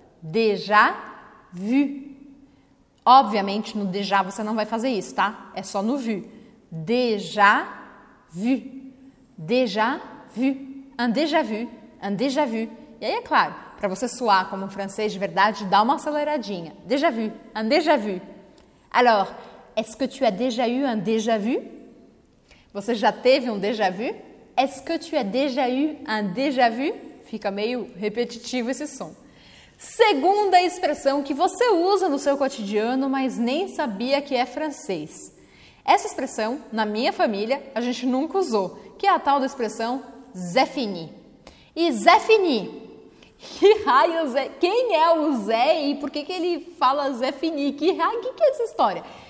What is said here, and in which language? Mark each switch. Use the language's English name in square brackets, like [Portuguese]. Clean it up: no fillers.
[Portuguese] Déjà vu. Obviamente, no déjà você não vai fazer isso, tá? É só no vu. Déjà vu. [French] Déjà vu. Un déjà vu. Un déjà vu. [Portuguese] E aí, é claro, para você soar como um francês de verdade, dá uma aceleradinha. [French] Déjà vu. Un déjà vu. Alors, est-ce que tu as déjà eu un déjà vu? [Portuguese] Você já teve um déjà vu? [French] Est-ce que tu as déjà eu un déjà vu? [Portuguese] Fica meio repetitivo esse som. Segunda expressão que você usa no seu cotidiano, mas nem sabia que é francês. Essa expressão, na minha família, a gente nunca usou, que é a tal da expressão Zé Fini. E Zé Fini? Que raio Zé? Quem é o Zé e por que ele fala Zé Fini? Que raio? Que é essa história?